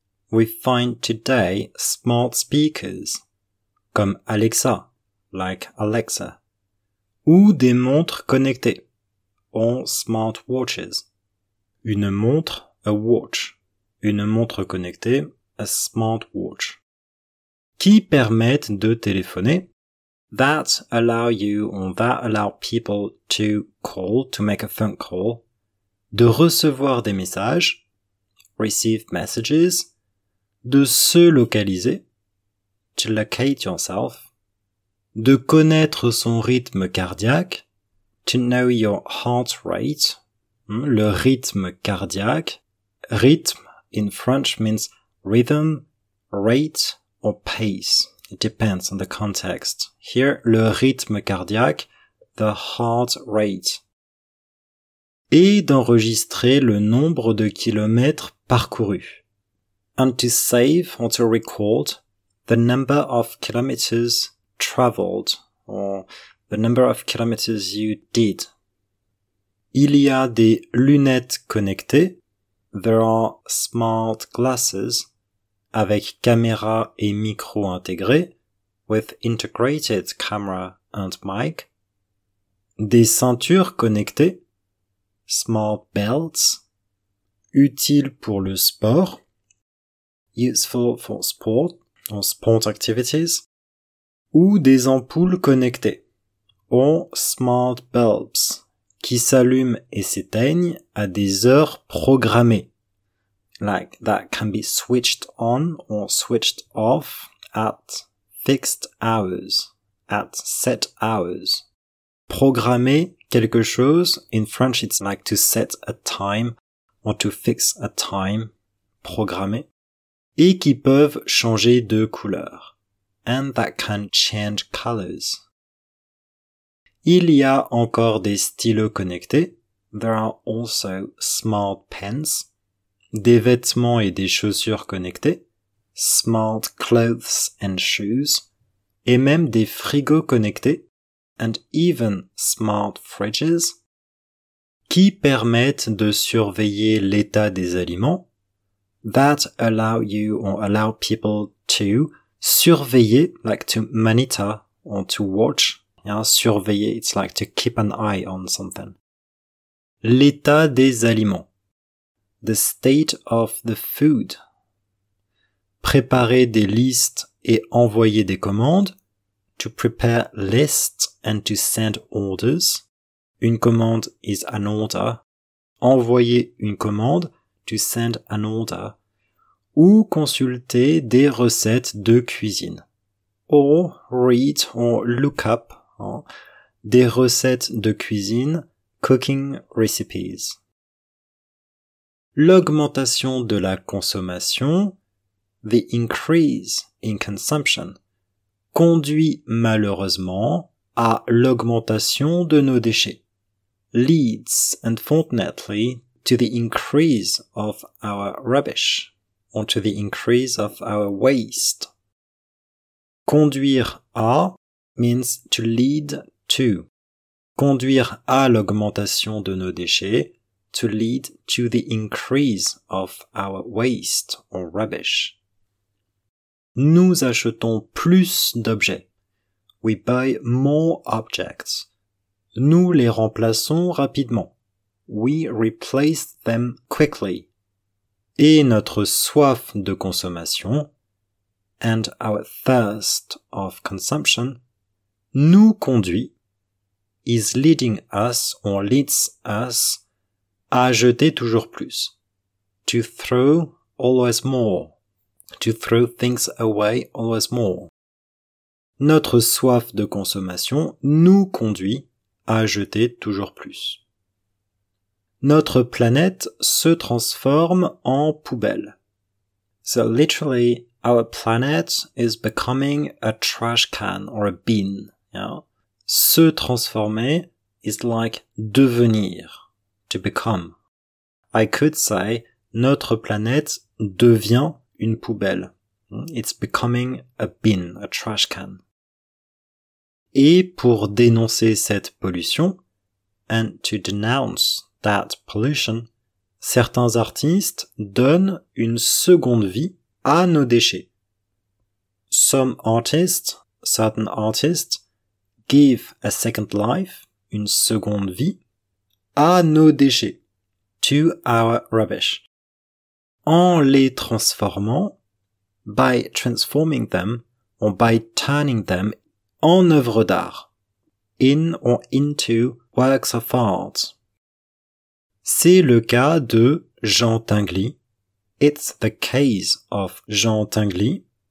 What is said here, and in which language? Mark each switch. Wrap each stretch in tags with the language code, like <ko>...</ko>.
<en>We find today smart speakers, comme Alexa, like Alexa.</en> <fr>Ou des montres connectées,</fr> <en>or smart watches.</en> <fr>Une montre,</fr> <en>a watch.</en> <fr>Une montre connectée,</fr> <en>a smart watch.</en> <fr>Qui permettent de téléphoner?</fr> <en>That allow you or that allow people to call, to make a phone call.</en> <fr>De recevoir des messages,</fr> <en>receive messages.</en> <fr>De se localiser,</fr> <en>to locate yourself.</en> <fr>De connaître son rythme cardiaque,</fr> <en>to know your heart rate,</en> <fr>le rythme cardiaque.</fr> <en>Rythme in French means rhythm, rate or pace. It depends on the context. Here,</en> <fr>le rythme cardiaque,</fr> <en>the heart rate.</en> <fr>Et d'enregistrer le nombre de kilomètres parcourus.</fr> <en>And to save or to record the number of kilometers traveled, or the number of kilometers you did.</en> <fr>Il y a des lunettes connectées.</fr> <en>There are smart glasses</en> <fr>avec caméra et micro intégrés,</fr> <en>with integrated camera and mic.</en> <fr>Des ceintures connectées,</fr> <en>smart belts,</en> <fr>utiles pour le sport,</fr> <en>useful for sport or sport activities.</en> <fr>Ou des ampoules connectées,</fr> <en>or smart bulbs,</en> <fr>qui s'allument et s'éteignent à des heures programmées,</fr> <en>like that can be switched on or switched off at fixed hours, at set hours.</en> <fr>Programmer quelque chose,</fr> <en>in French it's like to set a time or to fix a time, programmer.</en> <fr>Et qui peuvent changer de couleur,</fr> <en>and that can change colors.</en> <fr>Il y a encore des stylos connectés.</fr> <en>There are also smart pens.</en> <fr>Des vêtements et des chaussures connectés.</fr> <en>Smart clothes and shoes.</en> <fr>Et même des frigos connectés.</fr> <en>And even smart fridges.</en> <fr>Qui permettent de surveiller l'état des aliments.</fr> <en>That allow you or allow people to surveiller, like to monitor or to watch. Yeah, surveiller, it's like to keep an eye on something.</en> <fr>L'état des aliments.</fr> <en>The state of the food.</en> <fr>Préparer des listes et envoyer des commandes.</fr> <en>To prepare lists and to send orders.</en> <fr>Une commande</fr> <en>is an order.</en> <fr>Envoyer une commande,</fr> <en>to send an order.</en> <fr>Ou consulter des recettes de cuisine.</fr> <en>Or read or look up.</en> <fr>Des recettes de cuisine,</fr> <en>cooking recipes.</en> <fr>L'augmentation de la consommation,</fr> <en>the increase in consumption,</en> <fr>conduit malheureusement à l'augmentation de nos déchets.</fr> <en>Leads, unfortunately, to the increase of our rubbish, or to the increase of our waste.</en> <fr>Conduire à</fr> <en>means to lead to.</en> <fr>Conduire à l'augmentation de nos déchets,</fr> <en>to lead to the increase of our waste or rubbish.</en> <fr>Nous achetons plus d'objets.</fr> <en>We buy more objects.</en> <fr>Nous les remplaçons rapidement.</fr> <en>We replace them quickly.</en> <fr>Et notre soif de consommation,</fr> <en>and our thirst of consumption,</en> <fr>nous conduit,</fr> <en>is leading us or leads us,</en> <fr>à jeter toujours plus.</fr> <en>To throw always more. To throw things away always more.</en> <fr>Notre soif de consommation nous conduit à jeter toujours plus. Notre planète se transforme en poubelle.</fr> <en>So literally, our planet is becoming a trash can or a bin. Yeah. Se transformer is like devenir, to become. I could say,</en> <fr>notre planète devient une poubelle.</fr> <en>It's becoming a bin, a trash can.</en> <fr>Et pour dénoncer cette pollution,</fr> <en>and to denounce that pollution,</en> <fr>certains artistes donnent une seconde vie à nos déchets.</fr> <en>Some artists, certain artists, give a second life,</en> <fr>une seconde vie, à nos déchets,</fr> <en>to our rubbish,</en> <fr>en les transformant,</fr> <en>by transforming them, or by turning them,</en> <fr>en œuvres d'art,</fr> <en>in or into works of art.</en> <fr>C'est le cas de Jean Tinguely.</fr> <en>It's the case of Jean Tinguely,</en>